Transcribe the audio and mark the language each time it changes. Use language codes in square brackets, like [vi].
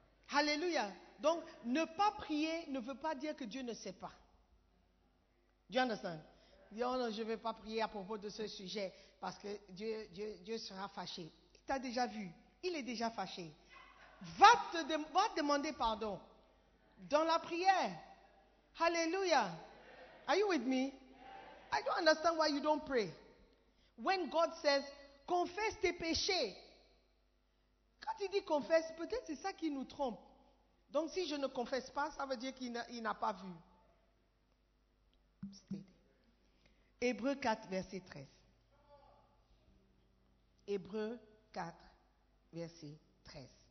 [fr] Alléluia. Donc, ne pas prier ne veut pas dire que Dieu ne sait pas. [en] Do you understand? [fr] Non, non, je ne vais pas prier à propos de ce sujet parce que Dieu sera fâché. Il t'a déjà vu. Il est déjà fâché. Va demander pardon dans la prière. [en] Hallelujah. Are you with me? I don't understand why you don't pray. When God says, [fr] confesse tes péchés. Quand il dit confesse, peut-être c'est ça qui nous trompe. Donc si je ne confesse pas, ça veut dire qu'il n'a pas vu. Hébreux 4, verset 13. Hébreux 4, verset 13.